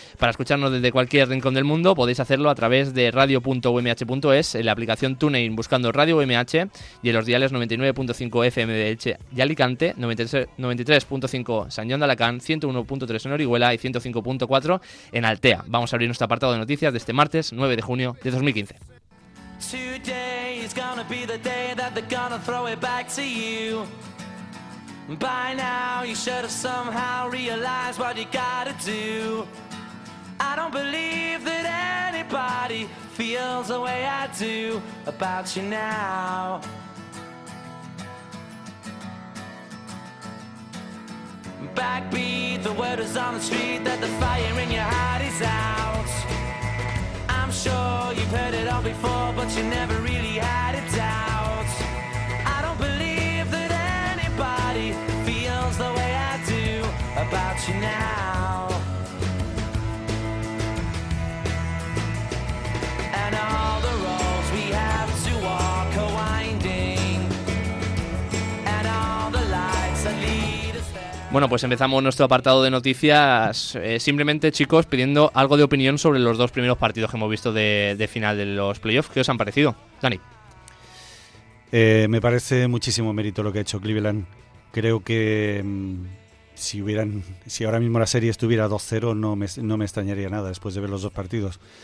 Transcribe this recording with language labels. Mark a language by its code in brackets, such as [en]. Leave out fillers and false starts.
[es] Para escucharnos desde cualquier rincón del mundo, podéis hacerlo a través de radio.umh.es, en la aplicación TuneIn buscando Radio UMH y en los diales 99.5 FM de Elche y Alicante, 93.5 San Juan de Alacant, 101.3 en Orihuela y 105.4 en Altea. Vamos a abrir nuestro apartado de noticias de este martes 9 de junio de 2015. [en] Today is gonna be the day that they're gonna throw it back to you. By now you should have somehow realized what you gotta do. I don't believe that anybody feels the way I do about you now. Backbeat, the word is on the street that the fire in your heart is out. I'm sure you've heard it all before, but you never really had a doubt. I don't believe that anybody feels the way I do about you now. And all the roads we have to walk are winding, and all the lights that lead us there. [es] Bueno, pues empezamos nuestro apartado de noticias simplemente, chicos, pidiendo algo de opinión sobre los dos primeros partidos que hemos visto de final de los playoffs. ¿Qué os han parecido, Dani? Me parece muchísimo mérito lo que ha hecho Cleveland. Creo que si ahora mismo la serie estuviera 2-0, no me extrañaría nada después de ver los dos partidos.